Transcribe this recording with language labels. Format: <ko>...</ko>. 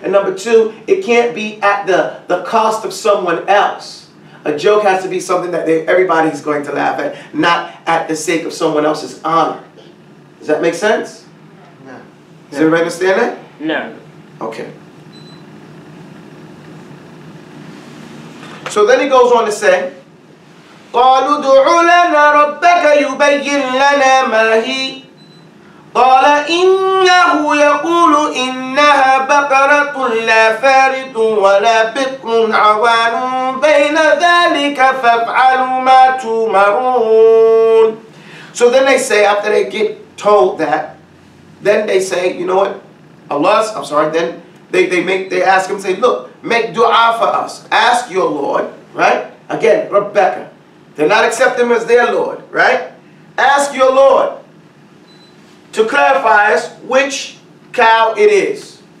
<en>And number two, it can't be at the cost of someone else. A joke has to be something that everybody's going to laugh at, not at the sake of someone else's honor. Does that make sense? No. Does everybody understand that? No. Okay. So then he goes on to say,</en> <ar>قَالُوا دُعُوا لَنَا رَبَّكَ يُبَيِّن لَنَا مَا هِي قَالَ إِنَّهُ يَقُولُ إِنَّهَا بَقَرَةٌ لَا فَارِضٌ وَلَا بِطْنٌ عَوَانٌ بَيْنَ ذَلِكَ فَافْعَلُوا مَا تُؤْمَرُونَ.</ar> <en>So then they say, after they get told that, then they say, you know what? Then they ask him, say, look, make dua for us. Ask your Lord, right? Again, Rebecca. They're not accepting him as their Lord, right? Ask your Lord to clarify us which cow it is.</en>